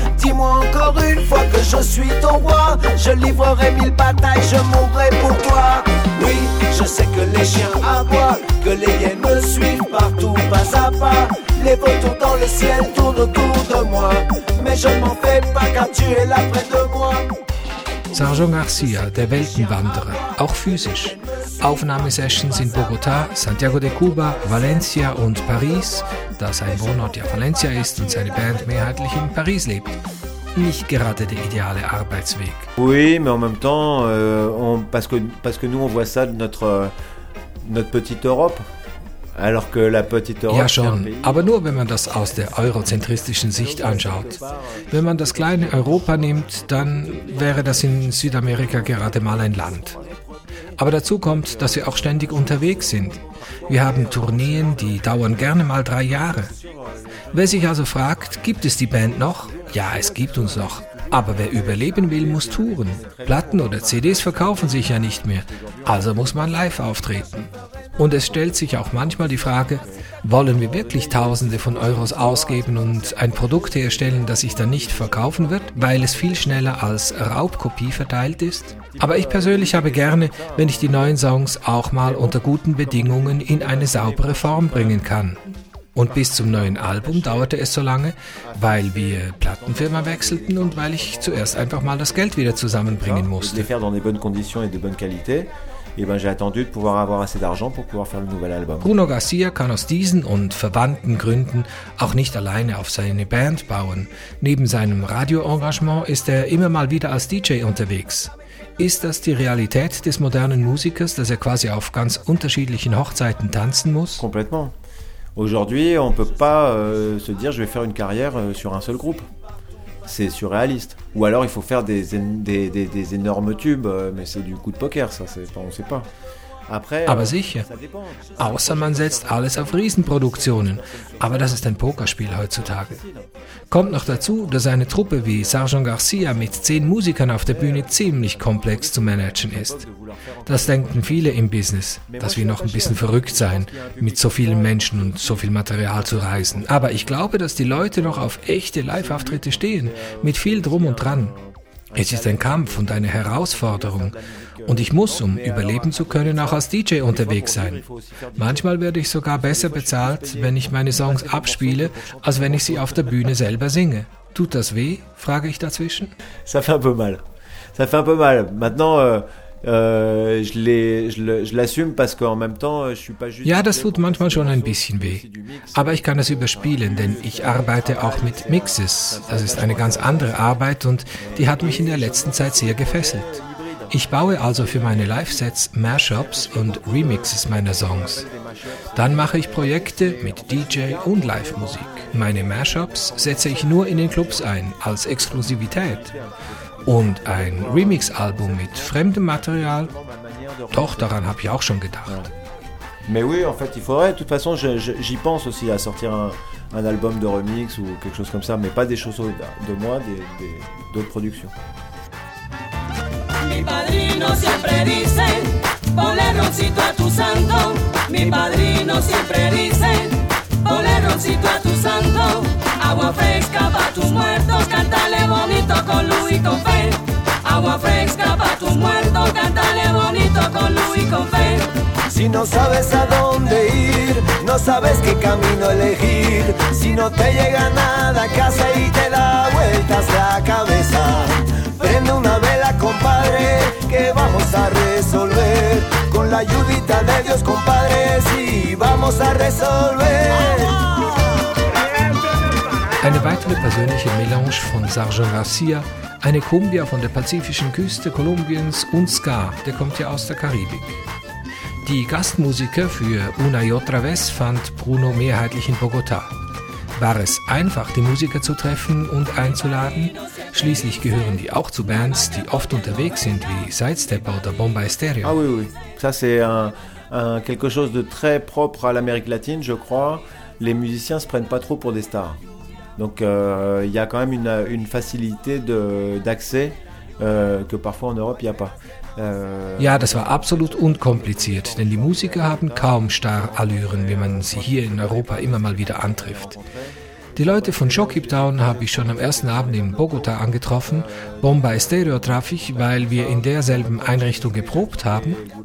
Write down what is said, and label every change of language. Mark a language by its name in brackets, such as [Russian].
[French] Dis-moi encore une fois que je suis ton roi. Je livrerai 1000 batailles, je mourrai pour toi. Oui, je sais que les chiens aboient, que les hyènes me suivent partout, pas à pas. Les vautours dans le ciel tournent autour de moi. Mais je ne m'en fais pas car tu es là près de moi. [German] Sergio Garcia, der Weltenwanderer, auch physisch. Aufnahmesessions in Bogota, Santiago de Cuba, Valencia und Paris, da sein Wohnort ja Valencia ist und seine Band mehrheitlich in Paris lebt. Nicht gerade der ideale Arbeitsweg. [French] Oui, mais en même temps, parce que nous on voit ça de notre petite Europe. Alors que la petite Europe, [German] ja schon, aber nur wenn man das aus der eurozentristischen Sicht anschaut. Wenn man das kleine Europa nimmt, dann wäre das in Südamerika gerade mal ein Land. Aber dazu kommt, dass wir auch ständig unterwegs sind. Wir haben Tourneen, die dauern gerne mal 3 Jahre. Wer sich also fragt, gibt es die Band noch? Ja, es gibt uns noch. Aber wer überleben will, muss touren. Platten oder CDs verkaufen sich ja nicht mehr. Also muss man live auftreten. Und es stellt sich auch manchmal die Frage, wollen wir wirklich Tausende von Euros ausgeben und ein Produkt herstellen, das sich dann nicht verkaufen wird, weil es viel schneller als Raubkopie verteilt ist? Aber ich persönlich habe gerne, wenn ich die neuen Songs auch mal unter guten Bedingungen in eine saubere Form bringen kann. Und bis zum neuen Album dauerte es so lange, weil wir Plattenfirma wechselten und weil ich zuerst einfach mal das Geld wieder zusammenbringen musste. Ich habe es in guten Konditionen und in guter Qualität. [French] J'ai attendu de pouvoir avoir assez d'argent pour pouvoir faire le nouvel album. [German] Bruno Garcia kann aus diesen und verwandten Gründen auch nicht alleine auf seine Band bauen. Neben seinem Radioengagement ist er immer mal wieder als DJ unterwegs. Ist das die Realität des modernen Musikers, dass er quasi auf ganz unterschiedlichen Hochzeiten tanzen muss? [French] Complètement. Aujourd'hui, on peut pas se dire je vais faire une carrière sur un seul groupe. C'est surréaliste. Ou alors il faut faire des énormes tubes, mais c'est du coup de poker, ça, c'est, on ne sait pas. Après, [German] aber sicher. Außer man setzt alles auf Riesenproduktionen. Aber das ist ein Pokerspiel heutzutage. Kommt noch dazu, dass eine Truppe wie Sergio Garcia mit 10 Musikern auf der Bühne ziemlich komplex zu managen ist. Das denken viele im Business, dass wir noch ein bisschen verrückt seien, mit so vielen Menschen und so viel Material zu reisen. Aber ich glaube, dass die Leute noch auf echte Live-Auftritte stehen, mit viel Drum und Dran. Es ist ein Kampf und eine Herausforderung. Und ich muss, um überleben zu können, auch als DJ unterwegs sein. Manchmal werde ich sogar besser bezahlt, wenn ich meine Songs abspiele, als wenn ich sie auf der Bühne selber singe. Tut das weh? Frage ich dazwischen. [French] Ça fait un peu mal. Ça fait un peu mal. Maintenant, je l'assume parce qu'en même temps, je suis pas juste. [German] Ja, das tut manchmal schon ein bisschen weh. Aber ich kann es überspielen, denn ich arbeite auch mit Mixes. Das ist eine ganz andere Arbeit und die hat mich in der letzten Zeit sehr gefesselt. Ich baue also für meine Live-Sets Mashups und Remixes meiner Songs. Dann mache ich Projekte mit DJ und Live-Musik. Meine Mashups setze ich nur in den Clubs ein, als Exklusivität. Und ein Remix-Album mit fremdem Material? Doch, daran habe ich auch schon gedacht. [French] Mais oui, en fait, il faudrait. De toute façon, j'y pense aussi à sortir un album de remix ou quelque chose comme ça, mais pas des choses de moi, des d'autres productions. [Spanish] Mi padrino siempre dice, ponle roncito a tu santo. Mi padrino siempre dice, ponle roncito a tu santo. Agua fresca pa tus muertos, cántale bonito con Luis y con fe. Agua fresca pa tus muertos, cántale bonito con Luis y con fe. Si no sabes a dónde ir, no sabes qué camino elegir. Si no te llega nada a casa y te da vueltas la cabeza, prende una vela, compadre, que vamos a resolver. Con la ayudita de Dios, compadre, sí, vamos a resolver. [German] Eine weitere persönliche Melange von Sergio Garcia, eine Cumbia von der pazifischen Küste Kolumbiens und Ska, der kommt ja aus der Karibik. Die Gastmusiker für Una y Otra Vez fand Bruno mehrheitlich in Bogotá. War es einfach, die Musiker zu treffen und einzuladen? Schließlich gehören die auch zu Bands, die oft unterwegs sind, wie Sidestepper oder Bombay Stereo. [French] Ah, oui, oui. Ça c'est quelque chose de très propre à l'Amérique latine, je crois. Les musiciens se prennent pas trop pour des stars. Donc, il y a quand même une facilité d'accès que parfois en Europe il y a pas. [German] Ja, das war absolut unkompliziert, denn die Musiker haben kaum Starallüren, wie man sie hier in Europa immer mal wieder antrifft. Die Leute von Shockhip Town habe ich schon am ersten Abend in Bogota angetroffen. Bombay Stereo traf ich, weil wir in derselben Einrichtung geprobt haben.